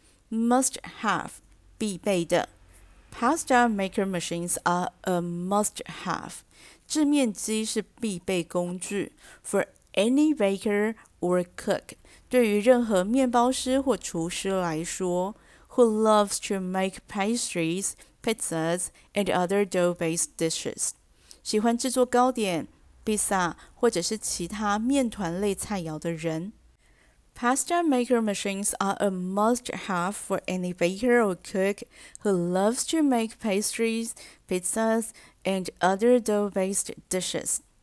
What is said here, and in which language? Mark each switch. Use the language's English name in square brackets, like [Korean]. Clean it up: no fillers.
[English] Must-have, [Chinese] 必备的。 [English] Pasta maker machines are a must-have. [Chinese] 制面机是必备工具 [English] for any baker or cook. [Chinese] 对于任何面包师或厨师来说 [English] who loves to make pastries, pizzas, and other dough-based dishes. [Chinese] 喜欢制作糕点、披萨或者是其他面团类菜肴的人。 [English] Pasta maker machines are a must-have for any baker or cook who loves to make pastries, pizzas, and other dough-based dishes.